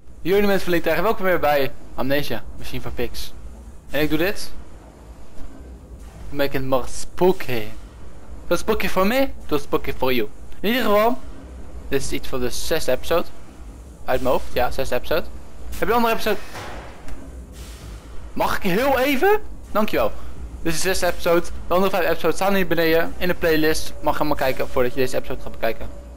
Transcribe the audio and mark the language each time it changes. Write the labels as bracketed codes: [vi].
[nl] Jullie mensen verliezen, welkom weer bij Amnesia, Machine for Pigs. En ik doe dit. [en] Make it more spooky. It was spooky for me, it was spooky for you. [nl] In ieder geval, dit is iets van de 6e episode. Uit mijn hoofd, ja, 6e episode. Heb je een andere episode? Mag ik heel even? Dankjewel. Dit is de 6e episode. De andere 5 episodes staan hier beneden in de playlist. Mag je maar kijken voordat je deze episode gaat bekijken.